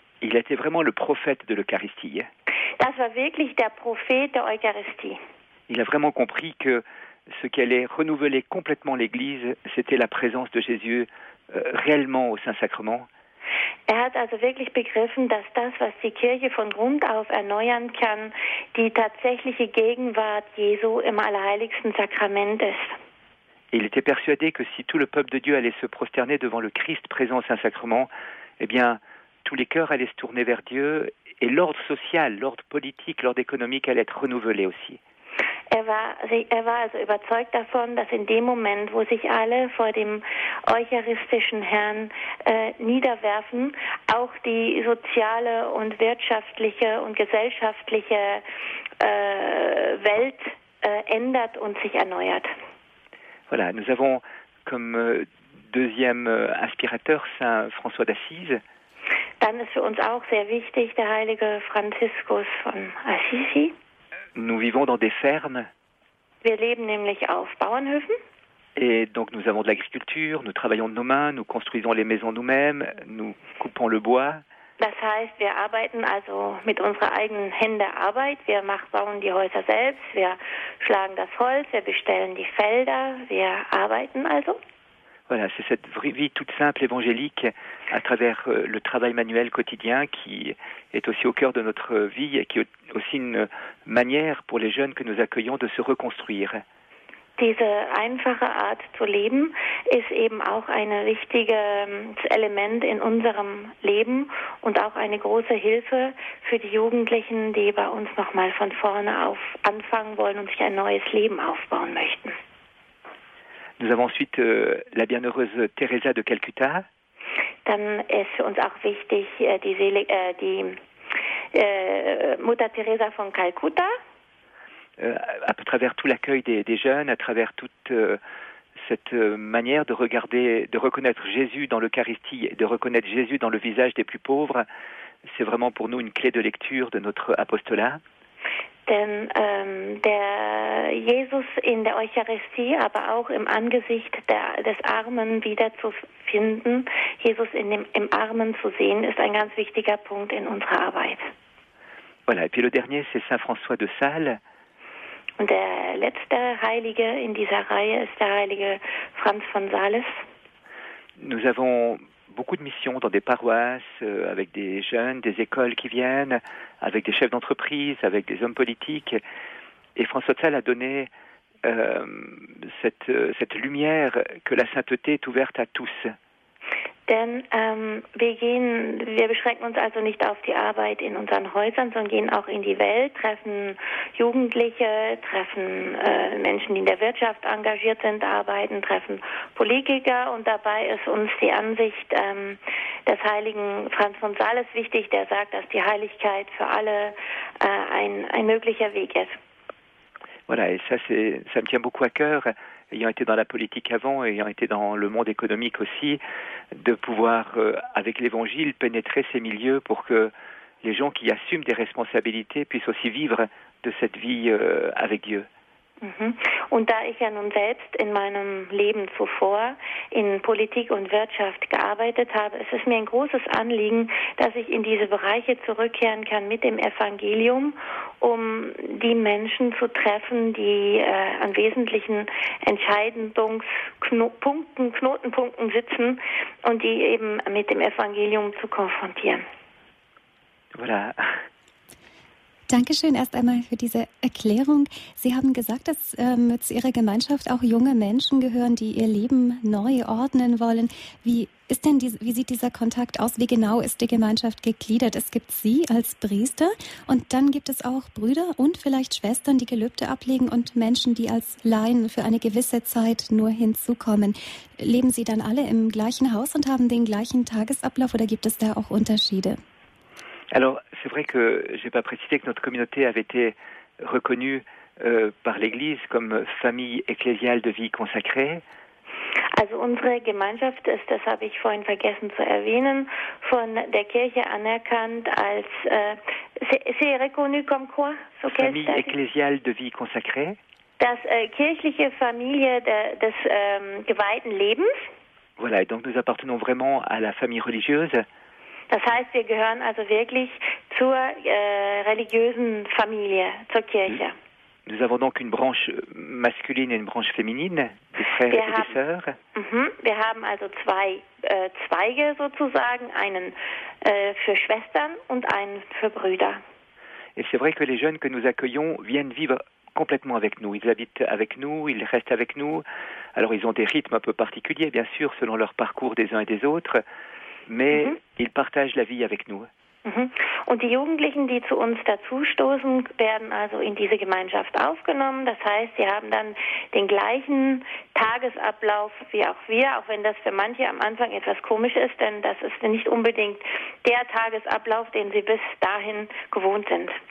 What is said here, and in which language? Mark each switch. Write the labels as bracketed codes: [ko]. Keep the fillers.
[fr] Il était vraiment le prophète de l'Eucharistie. [de] Das war wirklich der Prophet der Eucharistie. [fr] Il a vraiment compris que ce qui allait renouveler complètement l'Église, c'était la présence de Jésus euh, réellement au Saint-Sacrement. [de] Er hat also wirklich begriffen, dass das, was die Kirche von Grund auf erneuern kann, die tatsächliche Gegenwart Jesu im allerheiligsten Sakrament ist. [fr] Et il était persuadé que si tout le peuple de Dieu allait se prosterner devant le Christ présent au Saint-Sacrement, eh bien, tous les cœurs allaient se tourner vers Dieu et l'ordre social, l'ordre politique, l'ordre économique allait être renouvelé aussi. [de] Er war, er war also überzeugt davon, dass in dem Moment, wo sich alle vor dem eucharistischen Herrn äh, niederwerfen, auch die soziale und wirtschaftliche und gesellschaftliche äh, Welt äh, ändert und sich erneuert. [fr] Voilà, nous avons comme deuxième inspirateur Saint François d'Assise. [de] Dann ist für uns auch sehr wichtig der heilige Franziskus von Assisi. [fr] Nous vivons dans des fermes. [de] Wir leben nämlich auf Bauernhöfen. [fr] Et donc nous avons de l'agriculture, nous travaillons de nos mains, nous construisons les maisons nous-mêmes, nous coupons le bois. [de] Das heißt, wir arbeiten also mit unserer eigenen Hände Arbeit. Wir machen, bauen die Häuser selbst, wir schlagen das Holz, wir bestellen die Felder, wir arbeiten also. [fr] Voilà, c'est cette vie toute simple évangélique à travers le travail manuel quotidien qui est aussi au cœur de notre vie et qui est aussi une manière pour les jeunes que nous accueillons de se reconstruire. [de] Diese einfache Art zu leben ist eben auch ein wichtiges Element in unserem Leben und auch eine große Hilfe für die Jugendlichen, die bei uns nochmal von vorne auf anfangen wollen und sich ein neues Leben aufbauen möchten. [fr] Nous avons ensuite euh, la bienheureuse Teresa de Calcutta. [de] Dann ist für uns auch wichtig äh, die, Seele, äh, die äh, Mutter Teresa von Calcutta. [fr] à travers tout l'accueil des, des, jeunes, à travers toute cette manière de regarder, de reconnaître Jésus dans l'Eucharistie et de reconnaître Jésus dans le visage des plus pauvres, c'est vraiment pour nous une clé de lecture de notre apostolat. [de] Denn ähm, der Jesus in der Eucharistie, aber auch im Angesicht der, des Armen wiederzufinden, Jesus in dem, im Armen zu sehen, ist ein ganz wichtiger Punkt in unserer Arbeit. [fr] Voilà, et puis le dernier, c'est Saint François de Sales. [de] Und der letzte Heilige in dieser Reihe ist der heilige Franz von Sales. [fr] Nous avons beaucoup de missions dans des paroisses, euh, avec des jeunes, des écoles qui viennent, avec des chefs d'entreprise, avec des hommes politiques. Et François de Sales a donné euh, cette, cette, lumière que la sainteté est ouverte à tous. [de] Denn ähm, wir gehen, wir beschränken uns also nicht auf die Arbeit in unseren Häusern, sondern gehen auch in die Welt, treffen Jugendliche, treffen äh, Menschen, die in der Wirtschaft engagiert sind, arbeiten, treffen Politiker und dabei ist uns die Ansicht ähm, des heiligen Franz von Sales wichtig, der sagt, dass die Heiligkeit für alle äh, ein, ein möglicher Weg ist. [fr] Voilà, et ça, ça me tient beaucoup à cœur, ayant été dans la politique avant, ayant été dans le monde économique aussi, de pouvoir, euh, avec l'Évangile, pénétrer ces milieux pour que les gens qui assument des responsabilités puissent aussi vivre de cette vie euh, avec Dieu. [de] Und da ich ja nun selbst in meinem Leben zuvor in Politik und Wirtschaft gearbeitet habe, es ist mir ein großes Anliegen, dass ich in diese Bereiche zurückkehren kann mit dem Evangelium, um die Menschen zu treffen, die äh, an wesentlichen Entscheidungspunkten, Knotenpunkten sitzen und die eben mit dem Evangelium zu konfrontieren. [fr] Voilà. [de] Dankeschön erst einmal für diese Erklärung. Sie haben gesagt, dass ähm, zu Ihrer Gemeinschaft auch junge Menschen gehören, die ihr Leben neu ordnen wollen. Wie ist denn die, wie sieht dieser Kontakt aus? Wie genau ist die Gemeinschaft gegliedert? Es gibt Sie als Priester und dann gibt es auch Brüder und vielleicht Schwestern, die Gelübde ablegen und Menschen, die als Laien für eine gewisse Zeit nur hinzukommen. Leben Sie dann alle im gleichen Haus und haben den gleichen Tagesablauf oder gibt es da auch Unterschiede? [fr] Alors, c'est vrai que je n'ai pas précisé que notre communauté avait été reconnue euh, par l'Église comme famille ecclésiale de vie consacrée. [de] Also unsere Gemeinschaft ist, das habe ich vorhin vergessen zu erwähnen, von der Kirche anerkannt als äh, [fr] c'est reconnu comme quoi? So famille ecclésiale de vie consacrée. [de] Das äh, kirchliche Familie [fr] de, des [de] ähm, geweihten Lebens. [fr] Voilà, et donc nous appartenons vraiment à la famille religieuse. [de] Das heißt, wir gehören also wirklich zur äh, religiösen Familie, zur Kirche. [fr] Nous avons donc une branche masculine et une branche féminine, des frères [de] wir [fr] et des [de] haben, [fr] sœurs. [de] Mhm, wir haben also zwei äh, Zweige sozusagen, einen äh, für Schwestern und einen für Brüder. [fr] Et c'est vrai que les jeunes que nous accueillons viennent vivre complètement avec nous. Ils habitent avec nous, ils restent avec nous. Alors ils ont des rythmes un peu particuliers, bien sûr, selon leur parcours des uns et des autres. mais mhm. ils partagent la vie avec nous. Mhm. [de] Und die Jugendlichen, die zu uns dazustoßen, werden also in diese Gemeinschaft aufgenommen. Das heißt, sie haben dann den gleichen Tagesablauf wie auch wir, auch wenn das für manche am Anfang etwas komisch ist, denn das ist nicht unbedingt der Tagesablauf, den sie bis dahin gewohnt sind.